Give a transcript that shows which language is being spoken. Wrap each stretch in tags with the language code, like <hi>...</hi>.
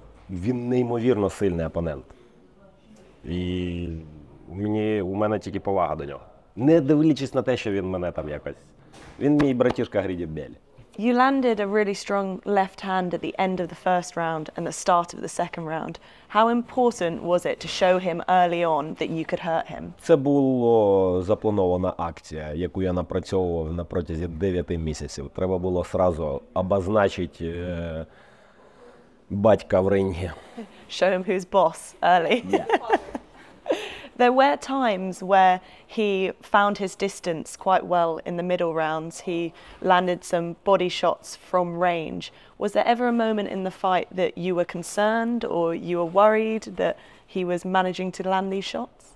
<uk>Він неймовірно сильний опонент. І у мене тільки повага до нього. Не дивлячись на те, що він мене там якось. Він мій братішка Гріді Белі.</uk> <en>You landed a really strong left hand at the end of the first round and the start of the second round. How important was it to show him early on that you could hurt him?</en> <uk>Це була запланована акція, яку я напрацьовував на протязі 9 місяців. Треба було сразу обозначити батька в рингі.</uk> <en>Show him who's boss early. Yeah. There were times where he found his distance quite well in the middle rounds. He landed some body shots from range. Was there ever a moment in the fight that you were concerned or you were worried that he was managing to land these shots?</en>